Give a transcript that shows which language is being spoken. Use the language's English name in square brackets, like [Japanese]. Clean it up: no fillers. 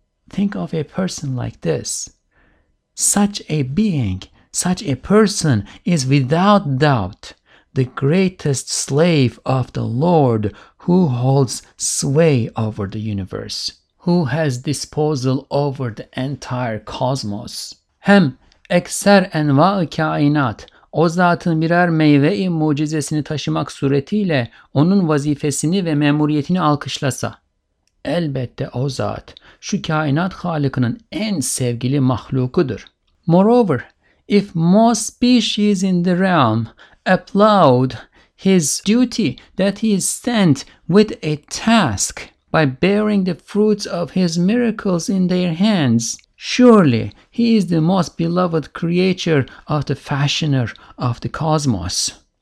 [English] Think of a person like this. Such a being, such a person is without doubt the greatest slave of the Lord, who holds sway over the universe, who has disposal over the entire cosmos. [Turkish] Hem ekser enva-ı kainat, o zatın birer meyve-i mucizesini taşımak suretiyle onun vazifesini ve memuriyetini alkışlasa, elbette o zat şu kainat halıkının en sevgili mahlukudur. [English] Moreover, if most species in the realm applaud his duty that he is sent with a task by bearing the fruits of his miracles in their hands, surely he is the most beloved creature of the fashioner of the cosmos.